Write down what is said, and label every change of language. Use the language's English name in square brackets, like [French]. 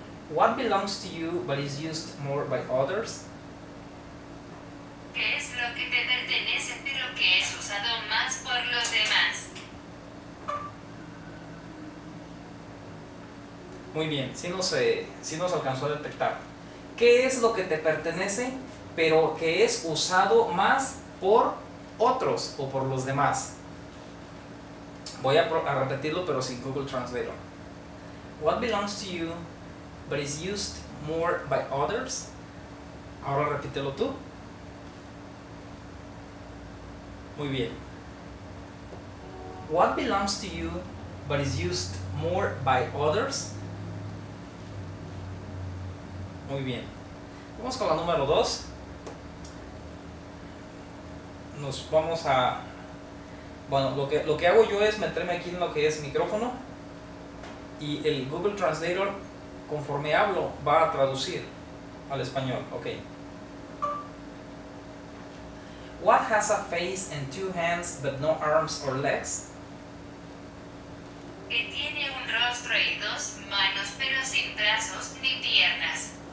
[English] What belongs to you but is used more by others? [Spanish] ¿Qué es lo que te pertenece pero que es usado más por los demás? Muy bien, si nos alcanzó a detectar. ¿Qué es lo que te pertenece pero que es usado más por otros o por los demás? Voy a repetirlo pero sin Google Translator. [English] What belongs to you but is used more by others? [Spanish] Ahora repítelo tú. Muy bien. [English] What belongs to you but is used more by others? [Spanish] Muy bien. Vamos con la número 2. Nos vamos a... Bueno, lo que hago yo es meterme aquí en lo que es micrófono y el Google Translator, conforme hablo, va a traducir al español. [English] Ok. What has a face and two hands but no arms or legs? [Spanish] Que tiene un rostro y dos manos pero sin brazos ni piernas.